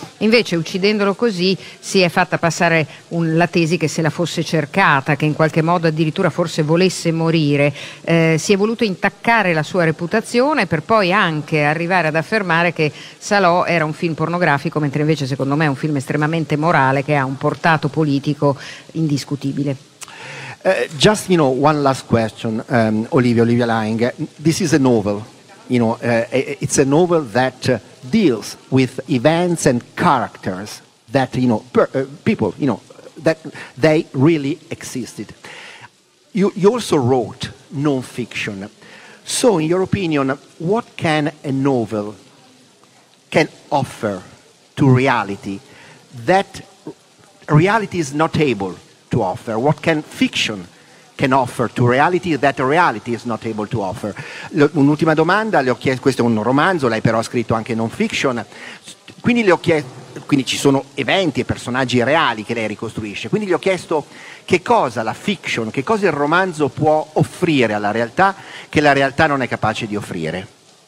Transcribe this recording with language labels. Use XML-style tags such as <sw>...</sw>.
<it>Invece, uccidendolo così, si è fatta passare la tesi che se la fosse cercata, che in qualche modo addirittura forse volesse morire. Si è voluto intaccare la sua reputazione per poi anche arrivare ad affermare che Salò era un film pornografico, mentre invece secondo me è un film estremamente morale che ha un portato politico indiscutibile.</it> <en>Just, you know, one last question, Olivia Lange. This is a novel, you know, it's a novel that deals with events and characters that, you know, people, you know, that they really existed. You also wrote non-fiction. So, in your opinion, what can a novel can offer to reality that reality is not able to offer? What can fiction can offer to reality that reality is not able to offer?</en> <it>Un'ultima domanda, le ho chiesto, questo è un romanzo, lei però ha scritto anche non fiction, quindi le ho chiesto, quindi ci sono eventi e personaggi reali che lei ricostruisce, quindi le ho chiesto che cosa la fiction, che cosa il romanzo può offrire alla realtà che la realtà non è capace di offrire.</it>